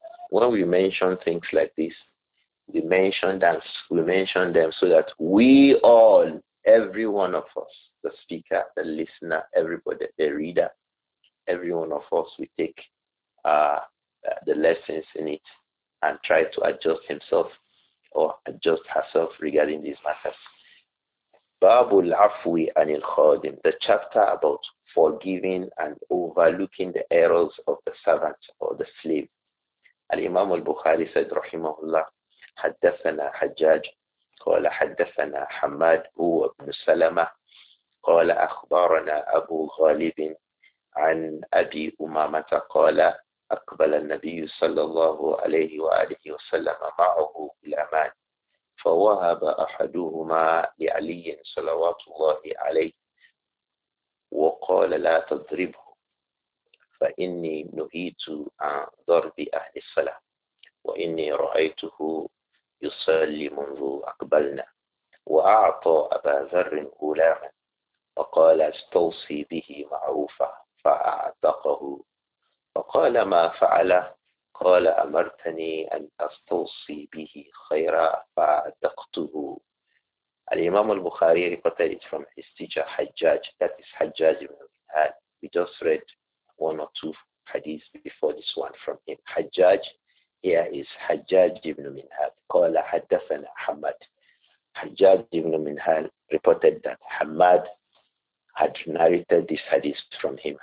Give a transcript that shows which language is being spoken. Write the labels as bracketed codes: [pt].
[en] When we mention things like this, we mention them so that we all, every one of us, the speaker, the listener, everybody, the reader, every one of us, we take the lessons in it and try to adjust himself or adjust herself regarding these matters. Babu al-afwi anil khadim, the chapter about forgiving and overlooking the errors of the servant or the slave. Al-Imam al-Bukhari said, rahimahullah, haddathana Hajjaj, [ar] قال حدثنا حماد هو ابن سلمة قال أخبرنا أبو غالب عن أبي أمامة قال أقبل النبي صلى الله عليه وآله وسلم معه غلامان فوهب أحدهما لعلي صلوات الله عليه وقال لا تضربه فإني نهيت عن ضرب أهل الصلاة وإني رأيته يصلي منذ أقبلنا وأعطى أبا ذر غلاما وقال استوصي به معروفا فأعتقه وقال ما فعله قال أمرتني أن استوصي به خيرا فأعتقته. [en] الإمام البخاري reported it from his teacher Hajjaj, that is Hajjaj ibn Hilal. We just read one or two hadiths before this one from him. Hajjaj. Here is Hajjaj ibn Minhal. Qala haddathana Hamad. Hajjaj ibn Minhal reported that Hamad had narrated this hadith from him.